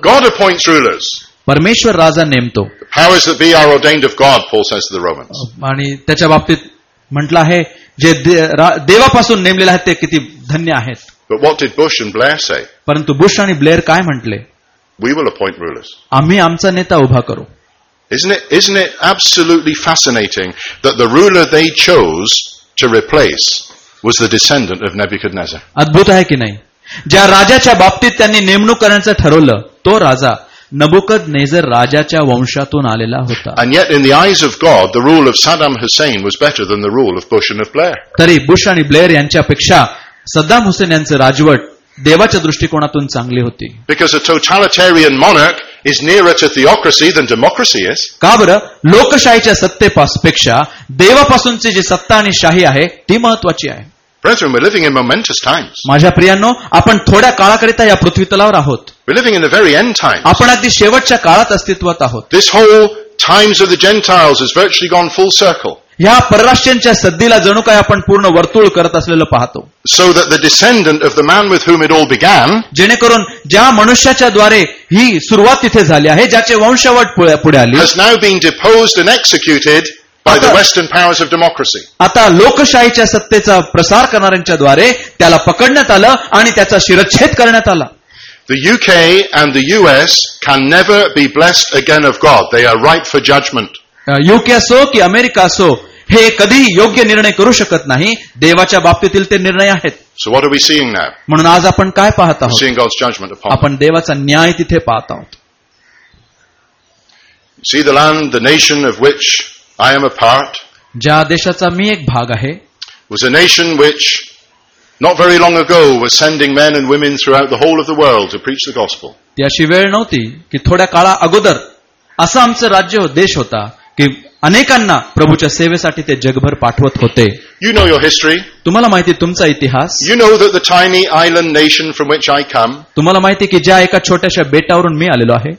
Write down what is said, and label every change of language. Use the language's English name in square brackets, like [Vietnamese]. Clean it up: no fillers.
[English] God appoints rulers. [Marathi] परमेश्वर राजा नेमतो. [English] Powers that be are ordained of God, Paul says to the Romans. [Marathi] आणि त्याच्या बाबतीत म्हटलं आहे जे देवापासून नेमलेले आहेत ते किती धन्य आहेत. [English] But what did Bush and Blair say? [Marathi] परंतु बुश आणि ब्लेअर काय म्हटले? [English] We will appoint rulers. [Marathi] आम्ही आमचा नेता उभा करू. [English] Isn't it absolutely fascinating that the ruler they chose to replace was the descendant of Nebuchadnezzar? [Marathi] अद्भुत आहे की नाही ज्या राजाच्या बाबतीत त्यांनी नेमणूक करण्याचं ठरवलं तो राजा नबुकदनेझर राजाच्या वंशातून आलेला होता [English] And yet in the eyes of God the rule of Saddam Hussein was better than the rule of Bush and of Blair. [Marathi] तरी बुश आणि ब्लेअर यांच्यापेक्षा सद्दाम हुसेन यांचं राजवट देवाच्या दृष्टिकोनातून चांगली होती [English] Because a totalitarian monarch is nearer to theocracy than democracy is [Marathi] काबर लोकशाहीच्या सत्तेपेक्षा देवापासूनची जी सत्ता आणि शाही आहे ती महत्त्वाची आहे [English] Brethren, we're living in momentous times [Marathi] माझ्या प्रियांनो आपण थोड्या काळाकरिता या पृथ्वीतलावर आहोत [English] we're living in the very end times [Marathi] आपण अगदी शेवटच्या काळात अस्तित्वात आहोत [English] this whole times of the gentiles has virtually gone full circle [Marathi] या परराष्ट्रांच्या सद्दीला जणू काय आपण पूर्ण वर्तुळ करत असलेलं पाहतो [English] so that the descendant of the man with whom it all began [Marathi] जेणेकरून ज्या मनुष्याच्या द्वारे ही सुरुवात तिथे झाली आहे ज्याचे वंशवट पुढे आली [English] has now been deposed and executed by the western powers of democracy [Marathi] आता लोकशाहीच्या सत्तेचा प्रसार करणाऱ्यांच्या द्वारे त्याला पकडण्यात आलं आणि त्याचा शिरच्छेद करण्यात आला [English] The UK and the US can never be blessed again of God. They are ripe for judgment. [Marathi] UK असो की अमेरिका असो हे कधी योग्य निर्णय करू शकत नाही देवाच्या बाबतीतील ते निर्णय आहेत [English] So what are we seeing now? [Marathi] म्हणून आज आपण काय पाहत आहोत [English] seeing God's judgment upon [Marathi] आपण देवाचा न्याय तिथे पाहत आहोत [English] See the land, the nation of which I am a part [Marathi] ज्या देशाचा मी एक भाग आहे [English] was a nation which, not very long ago, was sending men and women throughout the whole of the world to preach the gospel. [Marathi] ती अशी वेळ नव्हती की थोड्या काळा अगोदर असं आमचं राज्य देश होता की अनेकांना प्रभूच्या सेवेसाठी ते जगभर पाठवत होते. [English] you know your history, [Marathi] तुम्हाला माहिती तुमचा इतिहास. [English] you know that the tiny island nation from which I come, [Marathi] तुम्हाला माहिती की ज्या एका छोट्याशा बेटावरून मी आलेलो आहे.